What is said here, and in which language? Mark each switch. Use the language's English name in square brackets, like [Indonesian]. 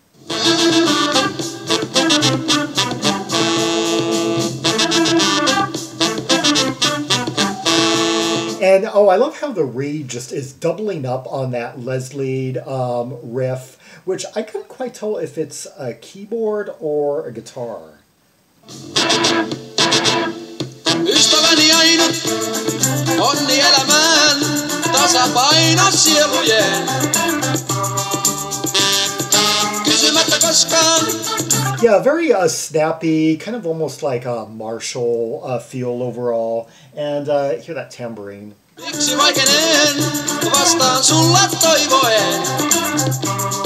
[English] And oh, I love how the reed just is doubling up on that Leslie'd riff, which I couldn't quite tell if it's a keyboard or a guitar. [Finnish] Ystäväni ainut, onni elämään, tasapaino sielujen. Kysymättä koskaan. [English] Yeah, very snappy, kind of almost like a Marshall feel overall. And hear that tambourine. [Finnish] Miksi vaikenen vastaan sulla toivoen?